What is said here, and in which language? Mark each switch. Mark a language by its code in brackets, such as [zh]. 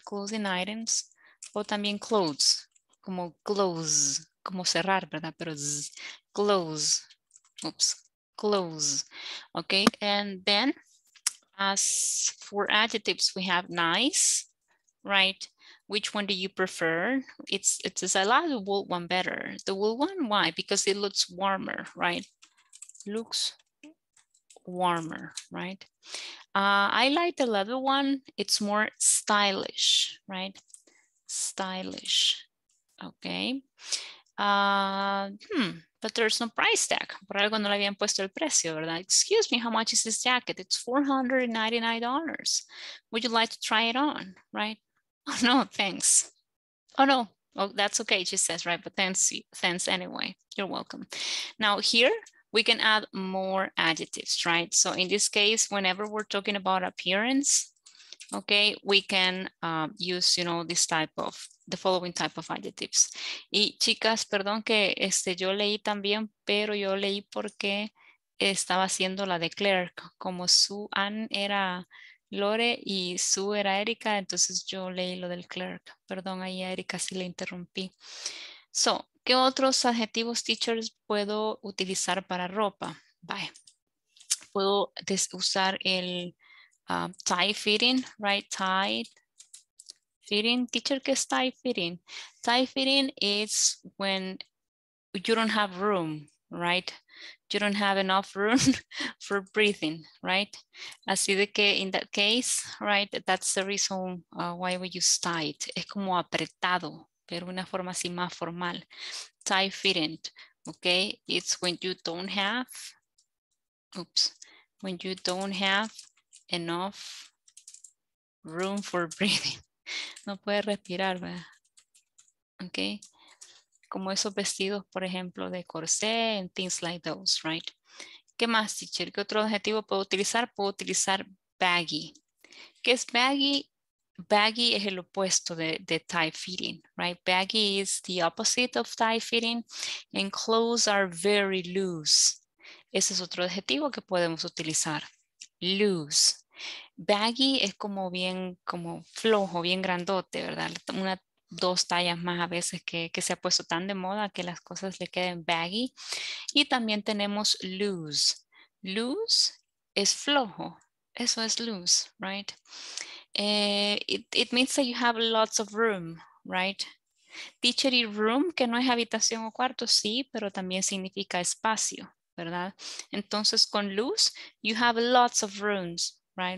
[es] Clothing items, o también clothes, como close, como cerrar, ¿verdad? Pero z, close, oops, close, okay? [en] And then, as for adjectives, we have nice, right? Which one do you prefer? I like the wool one better. The wool one, why? Because it looks warmer, right? Looks warmer, right? I like the leather one. It's more stylish, right? Stylish, okay. But there's no price tag. [es] Por algo no le habían puesto el precio, ¿verdad? [en] Excuse me, how much is this jacket? It's $499. Would you like to try it on, right? Oh, no, thanks. Oh, no. Oh, that's okay, she says, right? But thanks anyway. You're welcome. Now here, we can add more adjectives, right? So in this case, whenever we're talking about appearance, okay, we can use, you know, this type of, the following type of adjectives. [es] Y chicas, perdón que yo leí también, pero yo leí porque estaba haciendo la de clerk. Como su Ann era Lore y su era Erika, entonces yo leí lo del clerk. Perdón, ahí a Erika sí le interrumpí. So, ¿qué otros adjetivos, teachers, puedo utilizar para ropa? Bye. Puedo usar el tie fitting, right? Tie fitting. Teacher, ¿qué es tie fitting? [en] Tie fitting is when you don't have room, right? You don't have enough room for breathing, right? [es] Así de que [en] in that case, right, that's the reason why we use tight. [es] Es como apretado, pero una forma así más formal. [en] Tie fitting, okay? It's when you don't have, oops, when you don't have enough room for breathing. [es] No puede respirar, ¿verdad? Okay? Como esos vestidos, por ejemplo, de corsé [en] and things like those, [es] right? ¿Qué más, teacher? ¿Qué otro adjetivo puedo utilizar? Puedo utilizar baggy. ¿Qué es baggy? Baggy es el opuesto de tie fitting, right? [en] Baggy is the opposite of tie fitting, and clothes are very loose. [es] Ese es otro adjetivo que podemos utilizar, loose. Baggy es como bien, como flojo, bien grandote, ¿verdad? Una, dos tallas más a veces que se ha puesto tan de moda que las cosas le queden baggy. Y también tenemos loose. Loose es flojo. Eso es loose, right? [en] It means that you have lots of room, right? [es] Teacher, y room, que no es habitación o cuarto, sí, pero también significa espacio, ¿verdad? Entonces, con luz, [en] you have lots of rooms, right?